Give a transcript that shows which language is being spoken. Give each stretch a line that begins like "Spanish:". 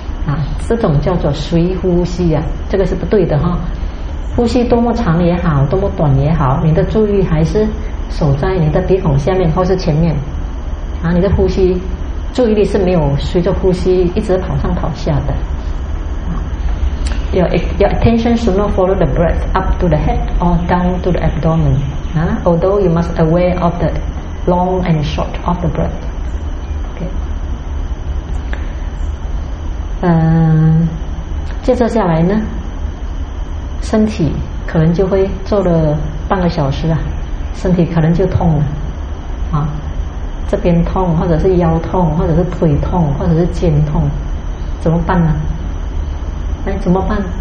Chinese: 啊，这种叫做随呼吸啊，这个是不对的哈。呼吸多么长也好，多么短也好，你的注意还是守在你的鼻孔下面或是前面啊，你的呼吸注意力是没有随着呼吸一直跑上跑下的。
English: Your attention should not follow the breath up to the head or down to the abdomen. Although you must aware of the long and short of the breath. Okay.
Chinese: 接着下来呢，身体可能就会坐了半个小时啊，身体可能就痛了，啊，这边痛，或者是腰痛，或者是腿痛，或者是肩痛，怎么办呢？哎，怎么办？